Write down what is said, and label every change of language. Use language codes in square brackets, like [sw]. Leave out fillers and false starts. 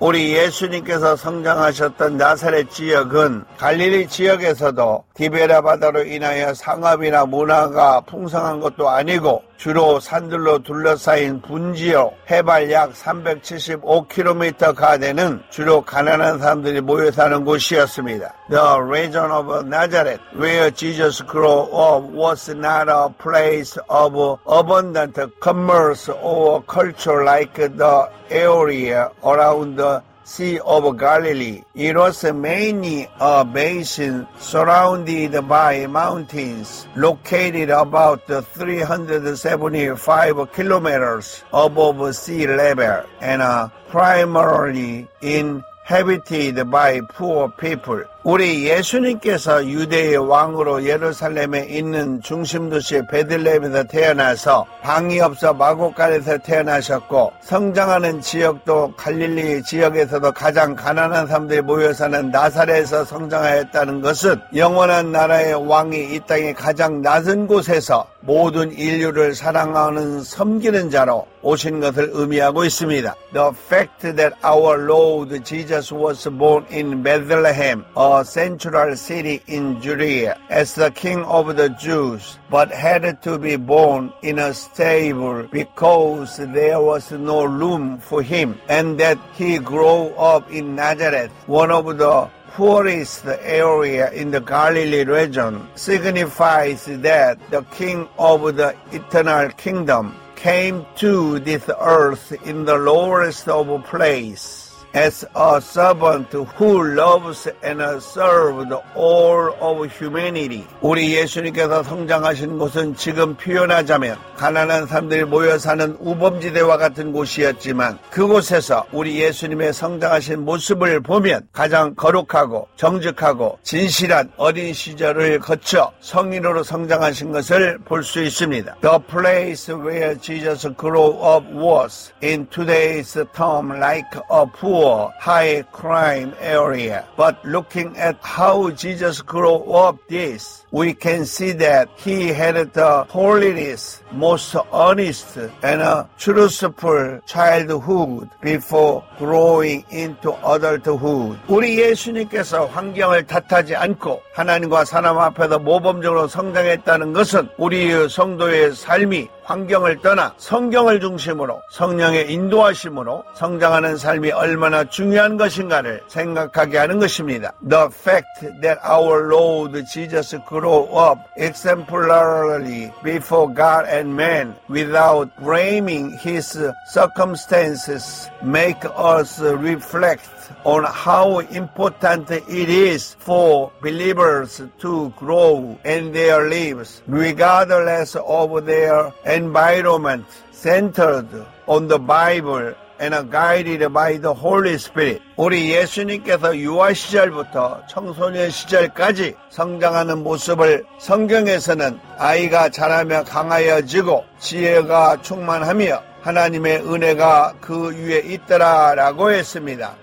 [ko] 우리 예수님께서 성장하셨던 나사렛 지역은 갈릴리 지역에서도 디베라 바다로 인하여 상업이나 문화가 풍성한 것도 아니고 주로 산들로 둘러싸인 분지요 해발 약 375km가 되는 주로 가난한 사람들이 모여 사는 곳이었습니다. [en] The region of Nazareth, where Jesus grew up, was not a place of abundant commerce or culture like the area around the Sea of Galilee. It was mainly a basin surrounded by mountains located about 375 kilometers above sea level and primarily inhabited by poor people. [ko] 우리 예수님께서 유대의 왕으로 예루살렘에 있는 중심도시 베들레헴에서 태어나서 방이 없어 마곡간에서 태어나셨고 성장하는 지역도 갈릴리 지역에서도 가장 가난한 사람들이 모여 사는 나사렛에서 성장하였다는 것은 영원한 나라의 왕이 이 땅의 가장 낮은 곳에서 모든 인류를 사랑하는 섬기는 자로 오신 것을 의미하고 있습니다. [en] The fact that our Lord Jesus was born in Bethlehem, a central city in Judea, as the king of the Jews, but had to be born in a stable because there was no room for him, and that he grew up in Nazareth, one of the poorest area in the Galilee region, signifies that the king of the eternal kingdom came to this earth in the lowest of place. As a servant who loves and serves all of humanity. [ko] 우리 예수님께서 성장하신 곳은 지금 표현하자면 가난한 사람들이 모여 사는 우범지대와 같은 곳이었지만 그곳에서 우리 예수님의 성장하신 모습을 보면 가장 거룩하고 정직하고 진실한 어린 시절을 거쳐 성인으로 성장하신 것을 볼 수 있습니다. [en] The place where Jesus grew up was in today's term like a pool. High crime area. But looking at how Jesus grew up this, we can see that he had the holiness, most honest, and a truthful childhood before growing into adulthood. [ko] 우리 예수님께서 환경을 탓하지 않고 하나님과 사람 앞에서 모범적으로 성장했다는 것은 우리의 성도의 삶이 환경을 떠나 성경을 중심으로 성령의 인도하심으로 성장하는 삶이 얼마나 중요한 것인가를 생각하게 하는 것입니다. [en] The fact that our Lord Jesus grew up exemplarily before God and man without blaming his circumstances make us reflect on how important it is for believers to grow in their lives regardless of their environment centered on the Bible and guided by the Holy Spirit. [ko] 우리 예수님께서 유아 시절부터 청소년 시절까지 성장하는 모습을 성경에서는 아이가 자라며 강하여지고 지혜가 충만하며 하나님의 은혜가 그 위에 있더라라고 했습니다.